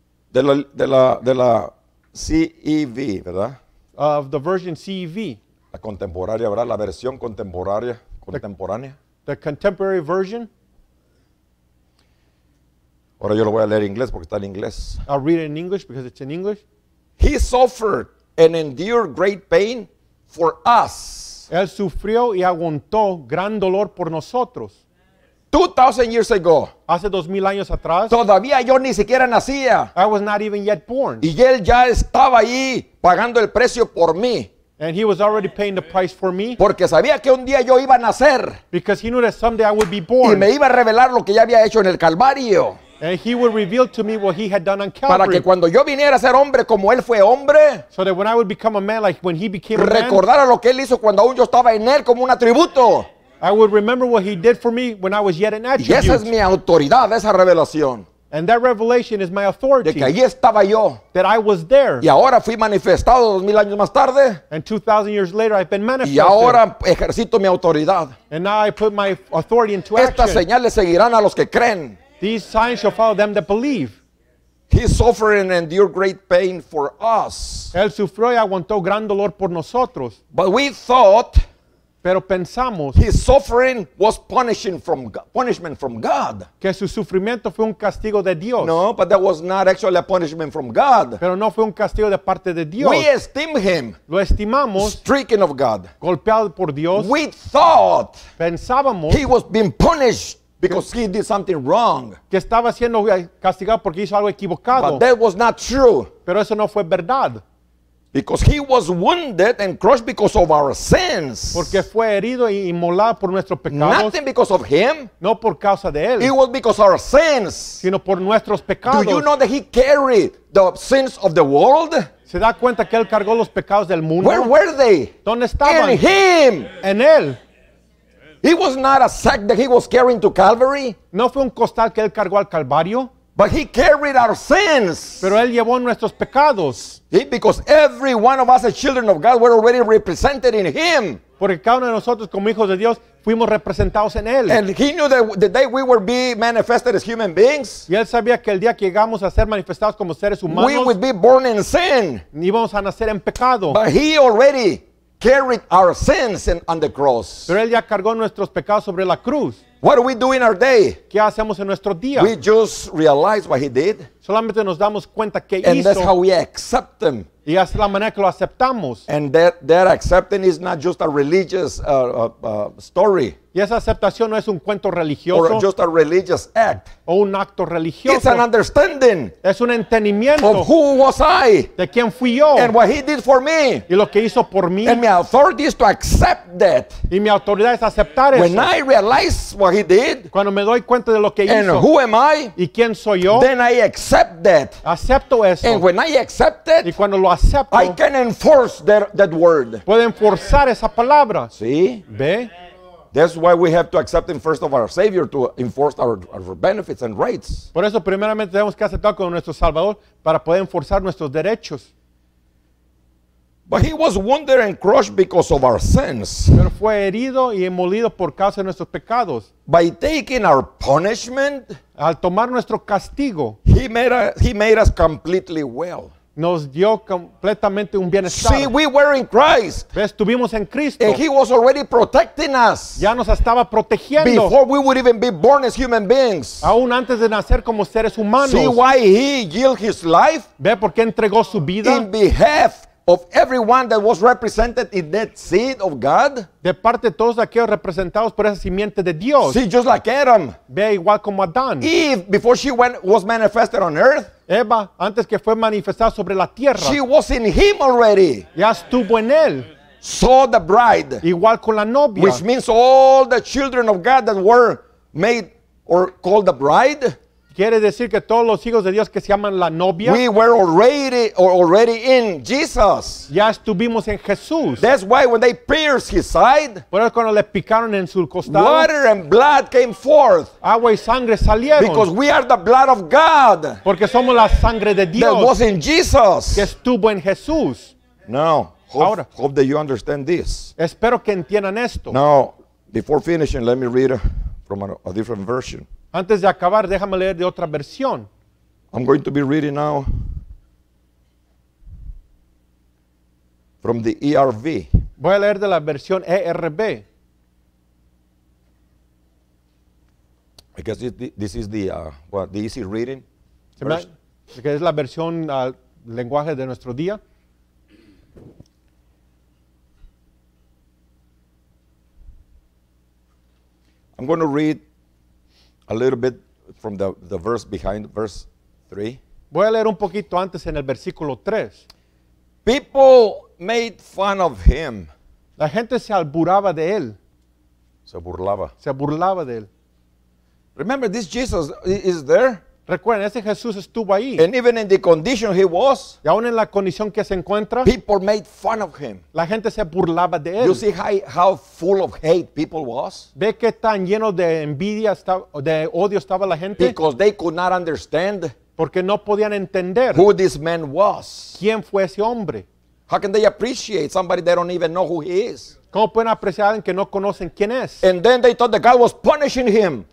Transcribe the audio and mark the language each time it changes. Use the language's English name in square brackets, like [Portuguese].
[Spanish] De la CEV, ¿verdad? [English] Of the version CEV. [Spanish] La contemporánea, ¿verdad? La versión contemporánea. Contemporánea. [English] The contemporary version. [Spanish] Ahora yo lo voy a leer en inglés porque está en inglés. [English] I'll read it in English because it's in English. He suffered and endured great pain for us. [Spanish] Él sufrió y aguantó gran dolor por nosotros. [English] 2,000 years ago. [Spanish] Hace 2,000 años atrás. Todavía yo ni siquiera nacía. [English] I was not even yet born. [Spanish] Y él ya estaba ahí pagando el precio por mí. [English] And he was already paying the price for me. [Spanish] Porque sabía que un día yo iba a nacer. [English] Because he knew that someday I would be born. [Spanish] Y me iba a revelar lo que ya había hecho en el Calvario. [English] And he would reveal to me what he had done on Calvary. [Spanish] Para que cuando yo viniera a ser hombre como él fue hombre. [English] So that when I would become a man like when he became a man. [Spanish] Recordara lo que él hizo cuando aún yo estaba en él como un atributo. [English] I would remember what he did for me when I was yet an attribute. [Spanish] Y esa es mi autoridad, esa revelación. [English] And that revelation is my authority. [Spanish] De que ahí estaba yo. [English] That I was there. [Spanish] Y ahora fui manifestado 2,000 años más tarde. [English] And 2,000 years later I've been manifested. [Spanish] Y ahora ejercito mi autoridad. [English] And now I put my authority into [Spanish] Estas [English] action. [Spanish] Estas señales seguirán a los que creen. [English] These signs shall follow them that believe. He suffered and endured great pain for us. [Spanish] Él sufrió y aguantó gran dolor por nosotros. [English] But we thought. [Spanish] Pero pensamos. [English] His suffering was punishment from God. [Spanish] Que su sufrimiento fue un castigo de Dios. [English] No, but that was not actually a punishment from God. [Spanish] Pero no fue un castigo de parte de Dios. [English] We esteemed him. [Spanish] Lo estimamos. [English] Stricken of God. [Spanish] Golpeado por Dios. [English] We thought. [Spanish] Pensábamos. [English] He was being punished. Because he did something wrong. [Spanish] Que estaba siendo castigado porque hizo algo equivocado. [English] But that was not true. [Spanish] Pero eso no fue verdad. [English] Because he was wounded and crushed because of our sins. [Spanish] Porque fue herido y molado por nuestros pecados. [English] Nothing because of him. [Spanish] No por causa de él. [English] It was because of our sins. [Spanish] Sino por nuestros pecados. [English] Do you know that he carried the sins of the world? [Spanish] ¿Se da cuenta que él cargó los pecados del mundo? [English] Where were they? [Spanish] ¿Dónde estaban? [English] In him. [Spanish] En él. [English] It was not a sack that he was carrying to Calvary. [Spanish] No fue un costal que él cargó al Calvario. [English] But he carried our sins. [Spanish] Pero él llevó nuestros pecados. [English] Because every one of us as children of God were already represented in him. [Spanish] Porque cada uno de nosotros como hijos de Dios fuimos representados en él. [English] And he knew that the day we would be manifested as human beings. [Spanish] Y él sabía que el día que llegamos a ser manifestados como seres humanos. [English] We would be born in sin. [Spanish] Íbamos a nacer en pecado. [English] But he already carried our sins on the cross. [Spanish] Pero él ya cargó nuestros pecados sobre la cruz. [English] What do we do in our day? [Spanish] ¿Qué hacemos en nuestro día? [English] We just realize what he did. [Spanish] Solamente nos damos cuenta que [English] and [Spanish] hizo. [English] And that's how we accept him. [Spanish] Y es la manera que lo aceptamos. [English] And that accepting is not just a religious story. [Spanish] Y esa aceptación no es un cuento religioso. [English] Or just a religious act. [Spanish] O un acto religioso. [English] It's an understanding. [Spanish] Es un entendimiento. [English] Of who was I. [Spanish] De quién fui yo. [English] And what he did for me. [Spanish] Y lo que hizo por mí. [English] And my authority is to accept that. [Spanish] Y mi autoridad es aceptar [English] when When I realize what he did. [Spanish] Cuando me doy cuenta de lo que [English] and [Spanish] hizo. [English] And who am I. [Spanish] Y quién soy yo. [English] Then I accept that. [Spanish] Acepto eso. [English] And when I accept it. [Spanish] Y cuando lo acepto. [English] I can enforce that word. [Spanish] Puedo enforzar esa palabra. Sí. Ve. [English] That's why we have to accept him first of our Savior to enforce our benefits and rights. [Spanish] Por eso primeramente tenemos que aceptar como nuestro Salvador para poder enforzar nuestros derechos. [English] But he was wounded and crushed because of our sins. [Spanish] Pero fue herido y molido por causa de nuestros pecados. [English] By taking our punishment, [Spanish] al tomar nuestro castigo, [English] he made us completely well. [Spanish] Nos dio completamente un bienestar. [English] See, we were in Christ. [Spanish] Estuvimos en Cristo. [English] And he was already protecting us. [Spanish] Ya nos estaba protegiendo. [English] Before we would even be born as human beings. [Spanish] Aún antes de nacer como seres humanos. [English] See why he yielded his life. [Spanish] Ve por qué entregó su vida. [English] In behalf of everyone that was represented in that seed of God. [Spanish] De parte de todos aquellos representados por esa simiente de Dios. [English] See, just like Adam. [Spanish] Ve igual como Adán. [English] Eve, before she was manifested on earth. [Spanish] Eva, antes que fue manifestada sobre la tierra. [English] She was in him already. [Spanish] Ya estuvo en él. [English] So the bride. [Spanish] Igual con la novia. [English] Which means all the children of God that were made or called the bride. [Spanish] Quiere decir que todos los hijos de Dios que se llaman la novia. [English] We were already in Jesus. [Spanish] Ya estuvimos en Jesús. [English] That's why when they pierced his side. [Spanish] Por eso cuando le picaron en su costado. [English] Water and blood came forth. [Spanish] Agua y sangre salieron. [English] Because we are the blood of God. [Spanish] Porque somos la sangre de Dios. [English] That was in Jesus. [Spanish] Que estuvo en Jesús. [English] Now, hope that you understand this. [Spanish] Espero que entiendan esto. [English] Now, before finishing, let me read from a different version. [Spanish] Antes de acabar, déjame leer de otra versión. [English] I'm going to be reading now from the ERV. [Spanish] Voy a leer de la versión ERV. [English] I guess this is the easy reading. [Spanish] Que es la versión al lenguaje de nuestro día. [English] I'm going to read a little bit from the verse behind verse 3. [Spanish] Voy a leer un poquito antes en el versículo 3. [English] People made fun of him. [Spanish] La gente se alburaba de él. Se burlaba. Se burlaba de él. [English] Remember, this Jesus is there. [Spanish] Recuerden, ese Jesús estuvo ahí. [English] And even in the condition he was. [Spanish] Y aún en la condición que se encuentra. [English] People made fun of him. [Spanish] La gente se burlaba de él. [English] You see how full of hate people was. [Spanish] Ve que tan lleno de envidia estaba, de odio estaba la gente. [English] Because they could not understand. [Spanish] Porque no podían entender. [English] Who this man was. [Spanish] Quién fue ese hombre. [English] How can they appreciate somebody they don't even know who he is? [Spanish] ¿Cómo pueden apreciar a alguien que no conocen quién es? [English] And then they thought that God was punishing him.